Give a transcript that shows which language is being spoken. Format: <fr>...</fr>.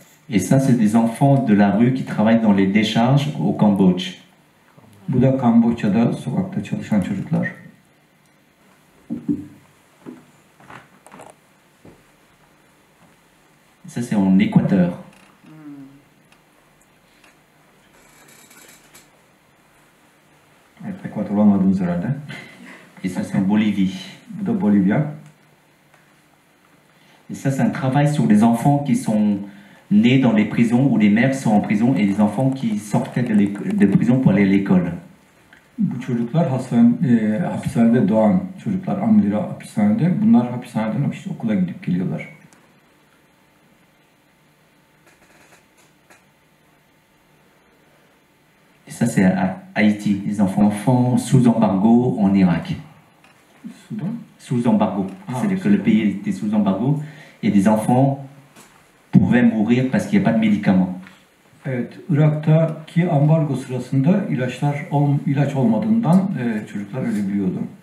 <fr>Et ça, c'est des enfants de la rue qui travaillent dans les décharges au Cambodge.</fr> <tr>Bu da Kamboçya'da sokakta çalışan çocuklar.</tr> <fr>Ça, c'est en Équateur.</fr> <tr>Evet, Équateur olmadığınız herhalde.</tr> <fr>Et ça, c'est en Bolivie.</fr> <tr>Bu da Bolivya.</tr> <fr>Et ça, c'est un travail sur les enfants qui sont nés dans les prisons où les mères sont en prison et les enfants qui sortaient de prison pour aller à l'école.</fr> <tr>Bu çocuklar hapishanede doğan çocuklar, anneleri hapishanede. Bunlar hapishaneden işte okula gidip geliyorlar.</tr> <fr>Et ça, c'est à Haïti, les enfants sous embargo en Irak. Sous embargo. C'est-à-dire que le pays était sous embargo. Et des enfants pouvaient mourir parce qu'il n'y a pas de médicaments.</fr> <tr>Evet, Irak'taki ambargo sırasında ilaç olmadığından çocuklar ölebiliyordu.</tr>